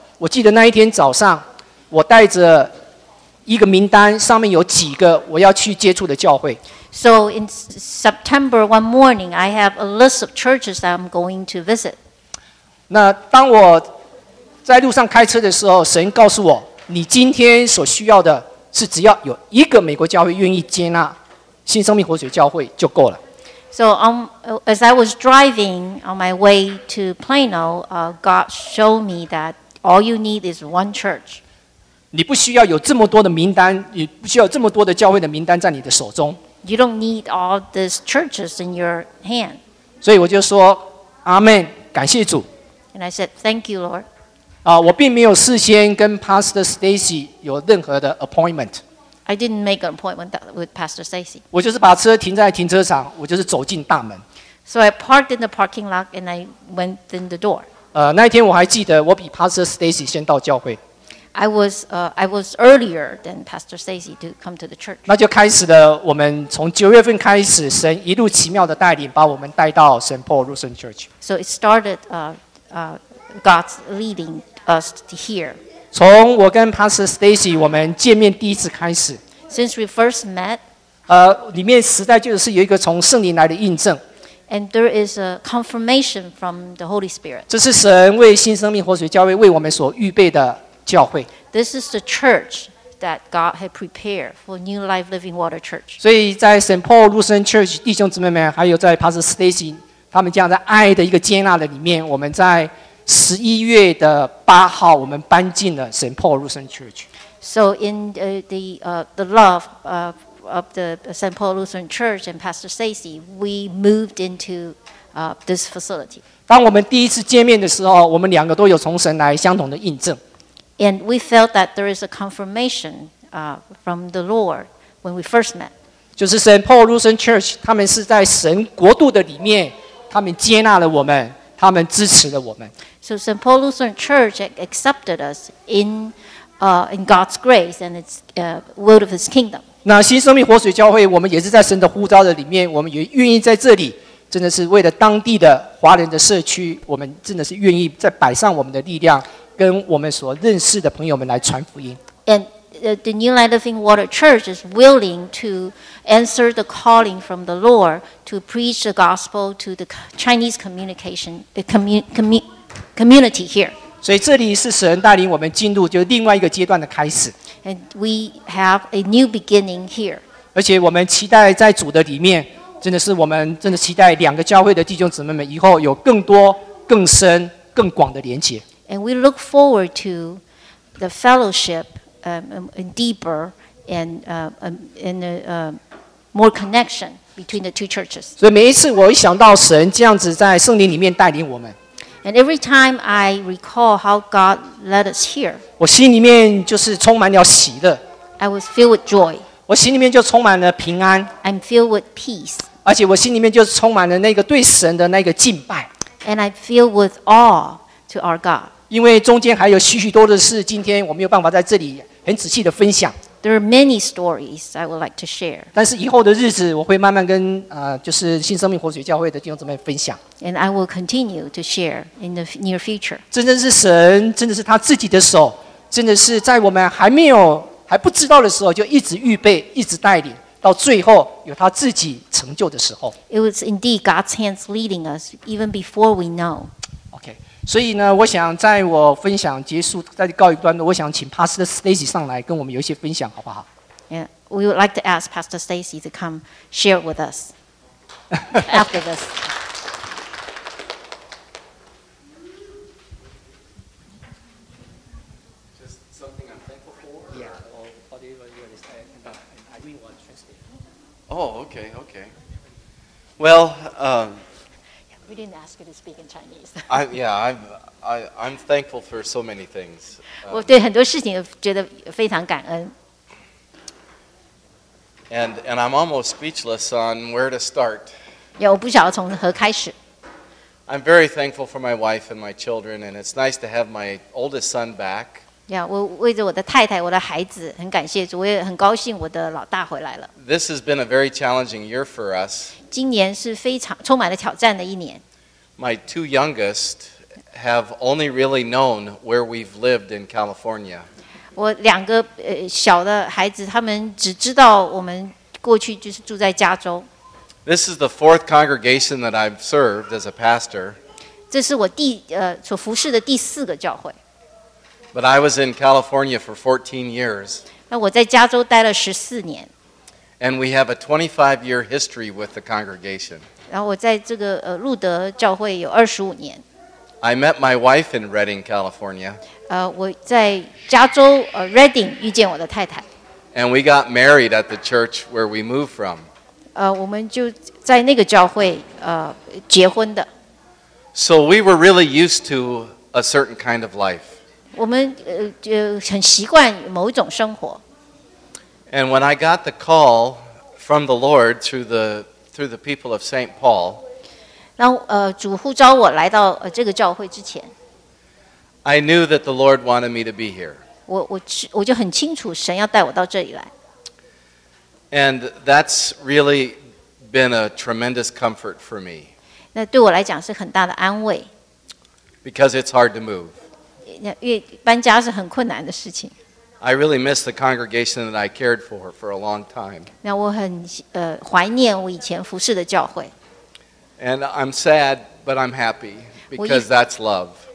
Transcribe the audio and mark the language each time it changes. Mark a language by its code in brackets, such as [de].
[zh] 我记得那一天早上，我带着一个名单，上面有几个我要去接触的教会。 [en] So in September one morning, I have a list of churches that I'm going to visit. [zh] 那当我在路上开车的时候，神告诉我，你今天所需要的是只要有一个美国教会愿意接纳新生命活水教会就够了。 [en] So as I was driving on my way to Plano, God showed me that. All you need is one church. [zh] 你不需要有这么多的名单，你不需要这么多的教会的名单在你的手中。 [en] You don't need all these churches in your hand. [zh] 所以我就说，阿门，感谢主。 [en] And I said, thank you, Lord. [zh] 我并没有事先跟 Pastor Stacy 有任何的 appointment. [en] I didn't make an appointment with Pastor Stacy. [zh] 我就是把车停在停车场，我就是走进大门。 [en] So I parked in the parking lot and I went in the door. [zh] 那一天我还记得，我比 Pastor Stacy 先到教会。 [en] I was earlier than Pastor Stacy to come to the church. [zh] 那就开始了，我们从九月份开始，神一路奇妙的带领，把我们带到 St. [en] Paul Lutheran Church. So it started God's leading us to here. [zh] 从我跟 Pastor Stacy 我们见面第一次开始 [en] Since we first met [zh] 里面实在就是有一个从圣灵来的印证 [en] And there is a confirmation from the Holy Spirit [zh] 这是神为新生命活水教会为我们所预备的教会 [en] This is the church that God had prepared for New Life Living Water Church [zh] 所以在 St. Paul Lutheran Church 弟兄姊妹们还有在 Pastor Stacy 他们这样在爱的一个接纳的里面我们在11月的8号我们搬进了 St. Paul Lutheran Church [en] So in the love of the St. Paul Lutheran Church and Pastor Stacy we moved into this facility [zh] 当我们第一次见面的时候我们两个都有从神来相同的印证 [en] And we felt that there is a confirmation from the Lord when we first met [zh] 就是 St. Paul Lutheran Church 他们是在神国度的里面他们接纳了我们他们支持了我们 [en] So St. Paul Lutheran Church accepted us in God's grace and its word of his kingdom [zh] 那新生命活水教会我们也是在神的呼召的里面我们也愿意在这里真的是为了当地的华人的社区我们真的是愿意在摆上我们的力量跟我们所认识的朋友们来传福音 [en] And the New Life Living Water Church is willing to answer the calling from the Lord to preach the gospel to the Chinese community here. [zh] 所以这里是神带领我们进入就另外一个阶段的开始。 [en] And we have a new beginning here. [zh] 而且我们期待在主的里面，真的是我们真的期待两个教会的弟兄姊妹们以后有更多、更深、更广的连结。 [en] And we look forward to the fellowship. And deeper and more connection between the two churches. [zh] 所以每一次我一想到神这样子在圣灵里面带领我们 [en] And every time I recall how God led us here, [zh] 我心里面就是充满了喜乐 [en] I was filled with joy. [zh] 我心里面就充满了平安 [en] I'm filled with peace. [zh] 而且我心里面就充满了那个对神的那个敬拜 [en] And I'm filled with awe to our God. [zh] 因为中间还有许许多的事，今天我没有办法在这里。很仔细的分享。 [en] There are many stories I would like to share. [zh] 但是以后的日子，我会慢慢跟就是新生命活水教会的弟兄姊妹分享。 [en] And I will continue to share in the near future. [zh] 真的是神，真的是他自己的手，真的是在我们还没有还不知道的时候，就一直预备，一直带领，到最后有他自己成就的时候。 [en] It was indeed God's hands leading us even before we know. [zh] Okay. 所以呢，我想在我分享结束，再告一段落，我想请 Pastor Stacy 上来跟我们有一些分享，好不好 [en] ？Yeah, we would like to ask Pastor Stacy to come share with us after this. Oh, okay, okay. Well, we didn't ask you to speak in Chinese. I'm thankful for so many things. [zh] 我对很多事情觉得非常感恩。 [en] And I'm almost speechless on where to start. [zh] 我不晓得从何开始。 [en] I'm very thankful for my wife and my children, and it's nice to have my oldest son back. [zh] 我为着我的太太、我的孩子很感谢主，我也很高兴我的老大回来了。 [en] This has been a very challenging year for us. [zh] 今年是非常充满了挑战的一年。 [en] My two youngest. Have only really known where we've lived in California. [zh] 我两个小的孩子，他们只知道我们过去就是住在加州。 [en] This is the fourth congregation that I've served as a pastor. [zh] 这是我所服侍的第四个教会。 [en] But I was in California for 14 years. [zh] 那我在加州待了14年。 [en] And we have a 25-year history with the congregation. [zh] 然后我在这个路德教会有25年。 [en] I met my wife in Redding, California. [zh] 我在加州Redding 遇见我的太太。 [en] And we got married at the church where we moved from. [zh] 我们就在那个教会结婚的。 [en] So we were really used to a certain kind of life. [zh] 我们很习惯某一种生活。 [en] And when I got the call from the Lord through the people of St. Paul. [zh] 当主呼召我来到这个教会之前 [en] ，I knew that the Lord wanted me to be here. [zh] 我就很清楚神要带我到这里来。 [en] And that's really been a tremendous comfort for me. [zh] 那对我来讲是很大的安慰。 [en] Because it's hard to move. [zh] 搬家是很困难的事情。 [en] I really miss the congregation that I cared for a long time. [zh] 那我很怀念我以前服侍的教会。 [en] And I'm sad, but I'm happy because that's love.